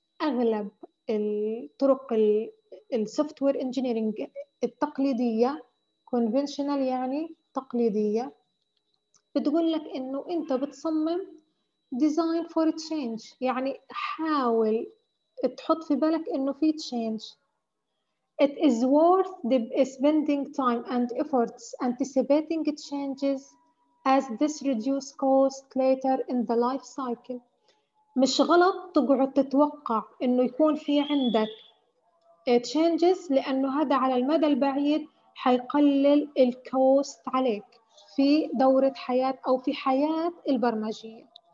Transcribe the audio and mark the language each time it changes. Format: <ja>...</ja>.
<ar>اغلب الطرق السوفتوير انجينيرنج التقليديه، conventional يعني تقليديه، بتقول لك انه انت بتصمم</ar> <en>design for change،</en> <ar>يعني حاول تحط في بالك إنه في change.</ar> <en>It is worth the spending time and efforts anticipating changes as this reduces cost later in the life cycle.</en> <ar>مش غلط تقعد تتوقع إنه يكون في عندك changes، لأنه هذا على المدى البعيد حيقلل الكوست عليك في دورة حياة أو في حياة البرمجية.</ar>